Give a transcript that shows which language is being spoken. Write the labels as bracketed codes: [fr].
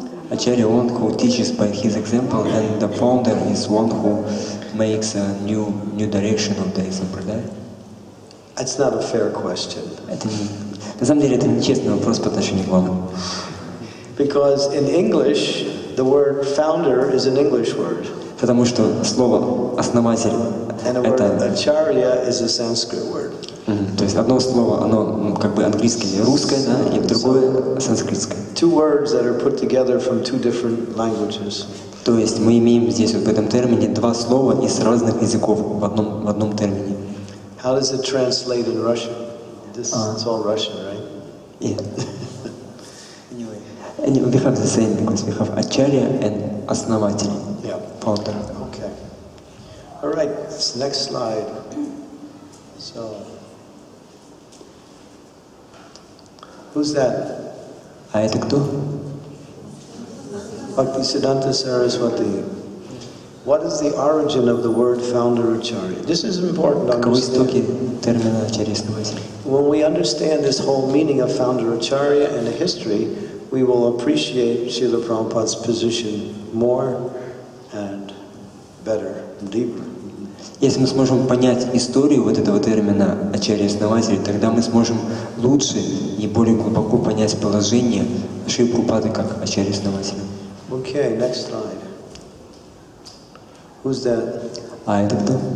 [en] Acharya, one who teaches by his example, and the founder is one who makes a new direction of the example, да? That's not a fair question. [ru] На самом деле, это нечестный вопрос по отношению к вам. [en] Because in English, the word founder is an English word. [ru] Потому что слово основатель, это... [en] And the word acharya is a Sanskrit word. [ru] То есть одно слово, оно как бы английское, русское, да, и другое санскритское. [en] Two words that are put together from two different languages. [ru] То есть мы имеем здесь вот в этом термине два слова из разных языков в одном термине. [en] How does it translate in Russian? It's all Russian, right? Yeah. Anyway. We have the same because we have acharya and основатель. Yeah. Founder. Okay. All right. Next slide. So. Who's that? [ru] А это кто? Бхактисиддханта Сарасвати. [en] What is the origin of the word founder Acharya? This is important to understand. When we understand this whole meaning of founder Acharya and the history, we will appreciate Srila Prabhupada's position more and better and deeper. [ru] Если мы сможем понять историю вот этого термина «Ачарья-основатель», тогда мы сможем лучше и более глубоко понять положение Шри Прабхупады как Ачарья-основателя. [en] Okay, next slide. Who's that? [ru] А это кто?